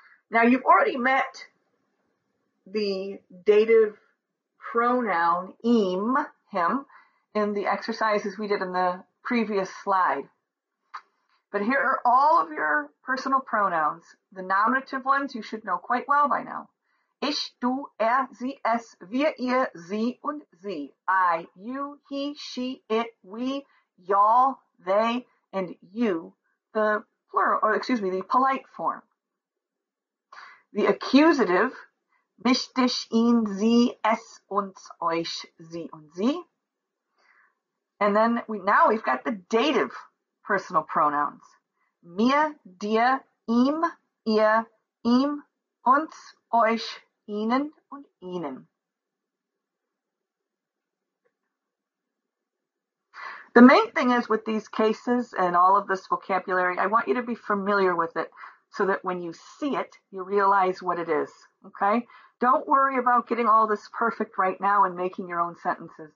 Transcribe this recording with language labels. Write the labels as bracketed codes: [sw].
[en] Now, you've already met the dative pronoun, him, in the exercises we did in the previous slide. But here are all of your personal pronouns. The nominative ones you should know quite well by now. [de] Ich, du, sie, es, wir, ihr, sie, und sie. [en] I, you, he, she, it, we, y'all, they, and you. The plural, or excuse me, the polite form. The accusative, [de] mich, dich, ihn, sie, es, uns, euch, sie, und sie. [en] And then now we've got the dative personal pronouns. [de] Mir, dir, ihm, ihr, ihm, uns, euch, ihnen, und ihnen. [en] The main thing is with these cases and all of this vocabulary, I want you to be familiar with it so that when you see it, you realize what it is, okay? Don't worry about getting all this perfect right now and making your own sentences.